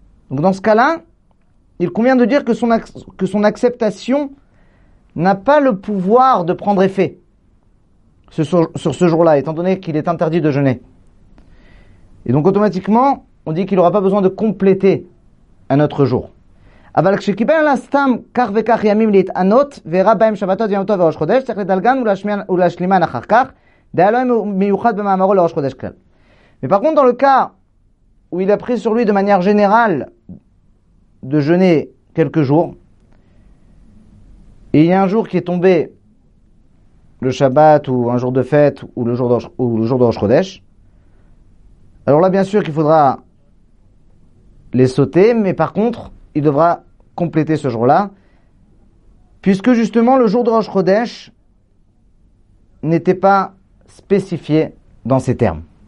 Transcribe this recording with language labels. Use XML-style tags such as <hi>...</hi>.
<fr>Donc, dans ce cas-là, il convient de dire que son acceptation n'a pas le pouvoir de prendre effet sur ce jour-là, étant donné qu'il est interdit de jeûner. Et donc, automatiquement, on dit qu'il n'aura pas besoin de compléter un autre jour.</fr> <he>אבל כשקיבל לסתם כך וכך ימים להתענות וראה בהם שבתות ימותו וראש חודש צריך לדלגן ולהשלימן אחר כך דה לא מיוחד במאמרו לראש חודש כלל.</he> <fr>Mais par contre, dans le cas où il a pris sur lui de manière générale de jeûner quelques jours, et il y a un jour qui est tombé, le Shabbat ou un jour de fête ou le jour de Rosh Chodesh, alors là bien sûr qu'il faudra les sauter, mais par contre il devra compléter ce jour-là, puisque justement le jour de Rosh Chodesh n'était pas spécifié dans ces termes.</fr>